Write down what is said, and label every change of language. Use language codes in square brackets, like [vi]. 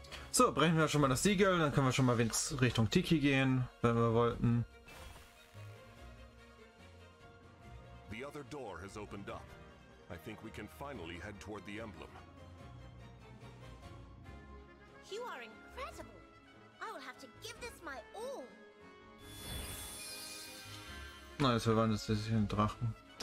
[de] So, brechen wir schon mal das Siegel, dann können wir schon mal Richtung Tiki gehen, wenn wir wollten. [en] The other door has opened up. I think we can finally head toward the emblem. You are incredible. I will have to give this my all. [de] Na, jetzt verwandelt sich in Drachen.